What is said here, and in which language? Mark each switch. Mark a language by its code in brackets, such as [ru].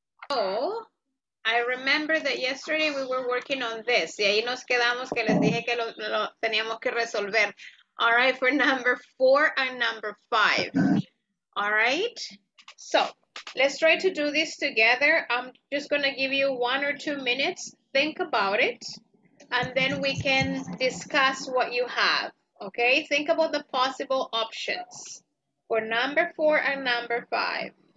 [en] So, I remember that yesterday we were working on this. [es] Y ahí nos quedamos que les dije que lo teníamos que resolver. [en] All right, for number 4 and number 5. All right. So, let's try to do this together. I'm just going to give you 1 or 2 minutes. Think about it. and then we can discuss what you have. Okay, think about the possible options for number four and number five.